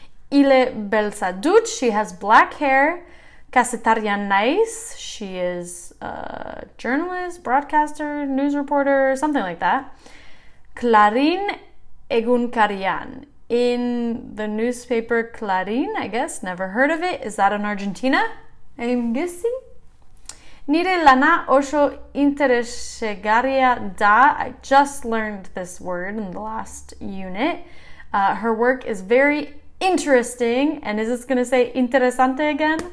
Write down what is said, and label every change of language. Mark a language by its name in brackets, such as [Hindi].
[Basque] Ile belsadut, [English] she has black hair. [Basque] Kazetaria naiz, [English] she is a journalist, broadcaster, news reporter, something like that. [Basque] Clarin egunkarian. [English] In the newspaper Clarín, I guess. Never heard of it. Is that in Argentina? I'm guessing. [Basque] Nire lana oso interesgarria da. [English] I just learned this word in the last unit. Her work is very interesting. And is this going to say interesante again?